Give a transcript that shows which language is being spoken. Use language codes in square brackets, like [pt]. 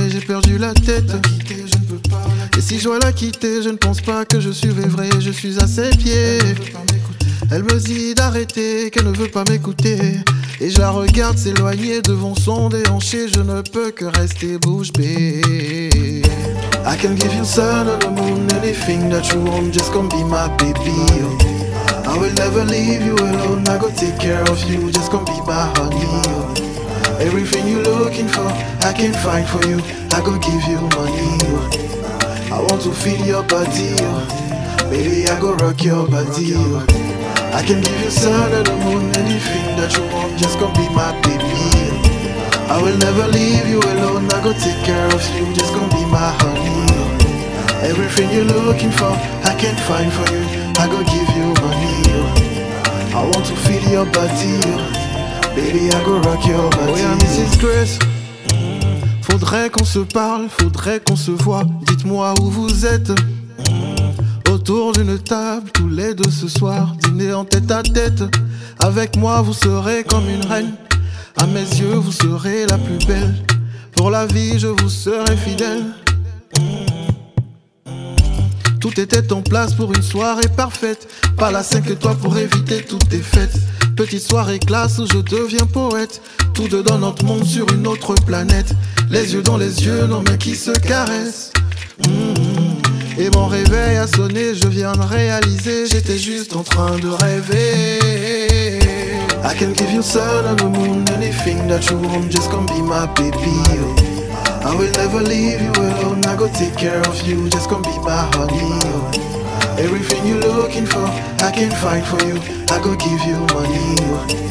[fr] J'ai perdu la tête. Et si je dois la quitter, je ne pense pas que je suivrai vrai. Je suis à ses pieds. Elle me dit d'arrêter, qu'elle ne veut pas m'écouter. Et je la regarde s'éloigner devant son déhanché. Je ne peux que rester bouche bée. [en] I can give you sun and the moon, anything that you want, just come be my baby. I will never leave you alone, I go take care of you, just come be my honey. Everything you're looking for, I can find for you, I go give you money. I want to feel your body, baby, I go rock your body. I can give you sun and the moon, anything that you want, just come be my baby. I will never leave you alone, I go take care of you, just come be my honey. Everything you're looking for, I can't find for you, I go give you money. I want to feel your body, baby, I go rock your body. Oh yeah, Mrs. Grace. [fr] Faudrait qu'on se parle, faudrait qu'on se voit. Dites-moi où vous êtes. Autour d'une table, tous les deux ce soir. Dîner en tête à tête. Avec moi, vous serez comme une reine. À mes yeux, vous serez la plus belle. Pour la vie, je vous serai fidèle. Tout était en place pour une soirée parfaite. Pas la 5 étoiles pour éviter toutes tes fêtes. Petite soirée classe où je deviens poète. Tout dedans notre monde sur une autre planète. Les yeux dans les yeux, nos mains qui se caressent. Et mon réveil a sonné, je viens de réaliser. J'étais juste en train de rêver. [en] I can give you sun and the moon, anything that you want, just come be my baby. I will never leave you alone, I go take care of you, just come be my honey. Everything you're looking for, I can find for you, I go give you money.